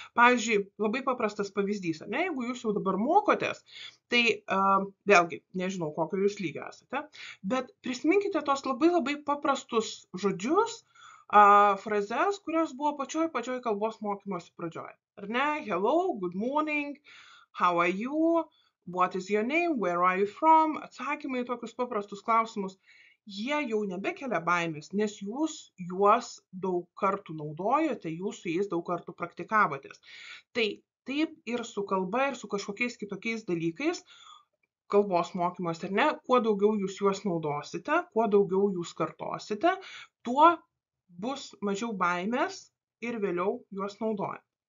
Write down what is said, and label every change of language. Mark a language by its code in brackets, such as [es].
[lt] Pavyzdžiui, labai paprastas pavyzdys, ne, jeigu jūs jau dabar mokotės, tai vėlgi, nežinau, kokio jūs lygio esate, bet prisiminkite tos labai labai paprastus žodžius, frazes, kurios buvo pačioj kalbos mokymosi pradžioje. Ar ne? [en] Hello, good morning, how are you, what is your name, where are you from, [lt] atsakymai tokius paprastus klausimus. Jie jau nebekelia baimės, nes jūs juos daug kartų naudojote, jūs su jais daug kartų praktikavotės. Tai taip ir su kalba, ir su kažkokiais kitokiais dalykais, kalbos mokymas ar ne, kuo daugiau jūs juos naudosite, kuo daugiau jūs kartosite, tuo bus mažiau baimės ir vėliau juos naudoja.